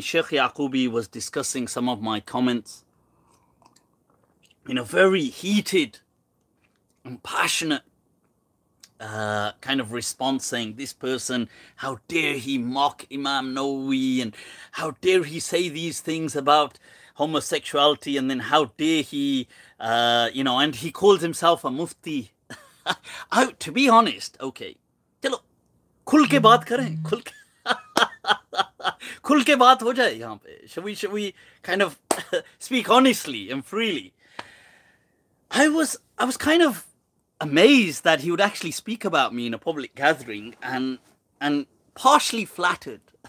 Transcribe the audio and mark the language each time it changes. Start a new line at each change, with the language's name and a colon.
English: Sheikh Yaqubi was discussing some of my comments in a very heated and passionate kind of response, saying, this person, how dare he mock Imam Nawawi, and how dare he say these things about homosexuality, and then how dare he, you know, and he calls himself a mufti. To be honest, okay,
Urdu: چلو, کھل کے بات کریں, کھل کے, کھل کے بات ہو جائے یہاں پے.
English: Should we kind of speak honestly and freely? I was kind of amazed that he would actually speak about me in a public gathering, and partially flattered.